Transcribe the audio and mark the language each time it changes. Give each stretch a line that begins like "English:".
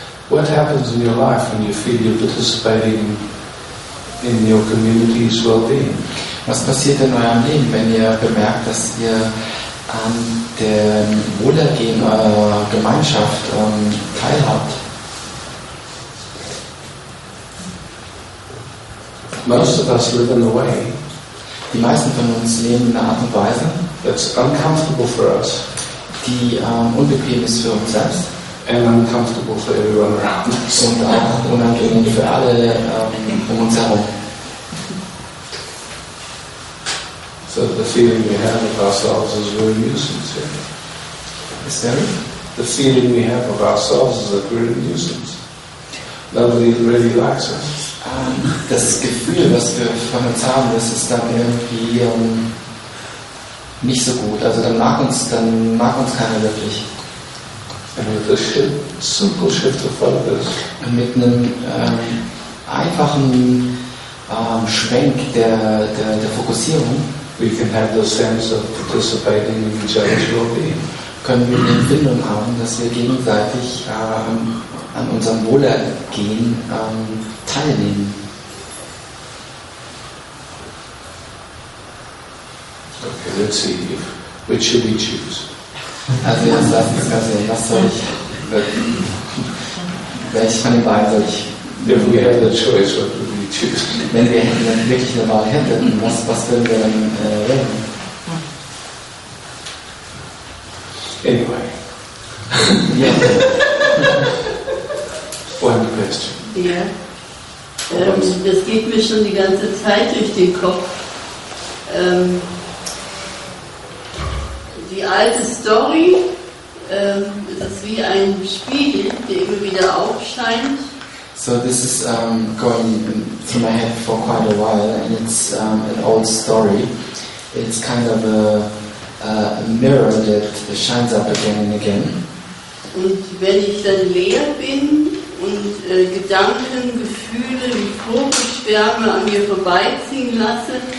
English: What happens in your life when you feel you're participating in your community's well-being?
German: Was passiert in eurem Leben, wenn ihr bemerkt, dass ihr an dem Wohlergehen eurer Gemeinschaft teilhabt?
English: Most of us live in a way.
German: Die meisten von uns leben in einer Art und Weise,
English: that's uncomfortable for us.
German: Die unbequem ist für uns selbst.
English: And uncomfortable for everyone around us.
German: Und auch unangenehm für alle um uns herum.
English: So the feeling we have of ourselves is we're nuisance. Is that it? The feeling we have of ourselves is that we're a nuisance. Nobody really likes us.
German: Das Gefühl, was wir von uns haben, das ist dann irgendwie nicht so gut. Also dann mag uns keiner wirklich.
English: And with a simple shift of focus.
German: Und mit einem einfachen Schwenk der Fokussierung.
English: We can have the sense of participating in each other's well-being.
German: Können wir die Empfindung haben, dass wir gegenseitig an unserem Wohlergehen teilnehmen.
English: Okay, let's see. Which should we choose?
German: Also jetzt lass uns mal sehen, was soll ich? Welches von den beiden soll ich?
English: If we had the choice, what would we choose?
German: Wenn wir dann wirklich eine Wahl hätten, was würden wir dann wählen?
English: Anyway. Yeah. One question.
German: Ja. Das geht mir schon die ganze Zeit durch den Kopf. Die alte Story ist wie ein Spiegel, der immer wieder aufscheint.
English: So this is going through my head for quite a while, and it's an old story. It's kind of a mirror that shines up again and again.
German: Und wenn ich dann leer bin und Gedanken, Gefühle, die Vogelschwärme an mir vorbeiziehen lasse.